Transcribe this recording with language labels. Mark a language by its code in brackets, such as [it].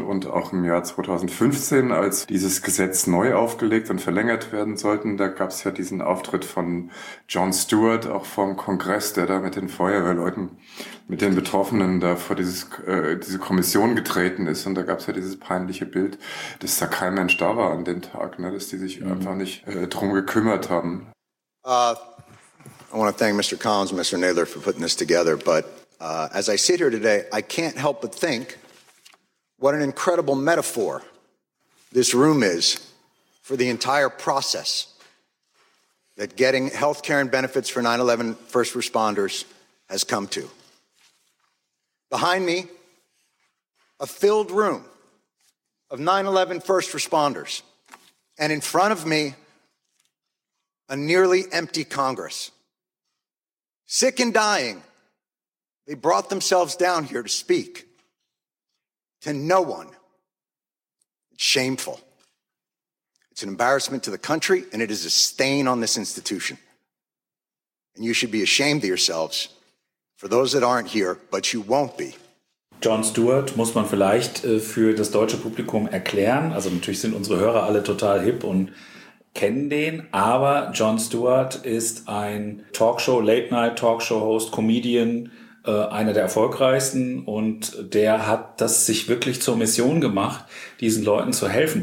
[de] Und auch im Jahr 2015, als dieses Gesetz neu aufgelegt und verlängert werden sollten, da gab es ja diesen Auftritt von John Stewart, auch vom Kongress, der da mit den Feuerwehrleuten, mit den Betroffenen da vor diese Kommission getreten ist. Und da gab es ja dieses peinliche Bild, dass da kein Mensch da war an dem Tag, ne, dass die sich einfach nicht drum gekümmert haben. [en] I want to thank Mr. Collins and Mr. Naylor for putting this together, but as I sit here today, I can't help but think what an incredible metaphor this room is for the entire process that getting health care and benefits for 9/11 first responders has come to. Behind me, a filled room of 9/11 first responders, and in front of me, a nearly empty Congress. Sick and dying, they brought themselves down here to speak to no one. It's shameful. It's an embarrassment to the country, and it is a stain on this institution. And you should be ashamed of yourselves for those that aren't here, but you won't be. [de] John Stewart muss man vielleicht für das deutsche Publikum erklären. Also natürlich sind unsere Hörer alle total hip und kennen den, aber Jon Stewart ist ein Talkshow, Late-Night-Talkshow-Host, Comedian, einer der erfolgreichsten, und der hat das sich wirklich zur Mission gemacht, diesen Leuten zu helfen.